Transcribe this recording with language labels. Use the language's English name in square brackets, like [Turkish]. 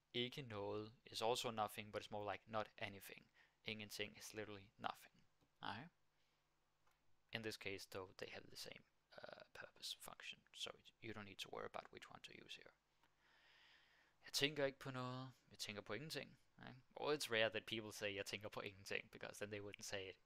[English] Ikke noget is also nothing, but it's more like not anything. Ingenting is literally nothing. Alright? In this case, though, they have the same purpose function, so you don't need to worry about which one to use here. [Danish] Jeg tænker ikke på noget. Jeg tænker på ingenting. [English] Right? Well, it's rare that people say [Danish] "jeg tænker på ingenting" [English] because then they wouldn't say it.